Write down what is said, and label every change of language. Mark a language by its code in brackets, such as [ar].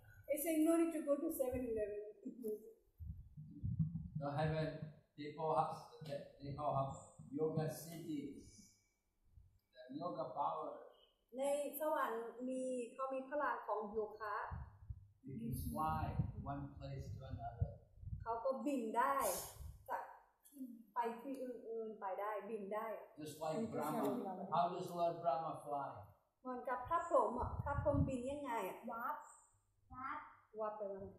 [en] It's like no need to go to 7-Eleven. So heaven, they all have yoga cities, the yoga power. [th] ในสวรรค์มีเขามีพลังของโยคะ [en] you can fly from one place to another [th] เขาก็บินได้จากที่ไปที่อื่นๆไปได้บินได้ [en] just like Brahma how does Lord Brahma fly [th] เหมือนกับพระพรหมพระพรหมบินยังไงวาร์ปไปมัน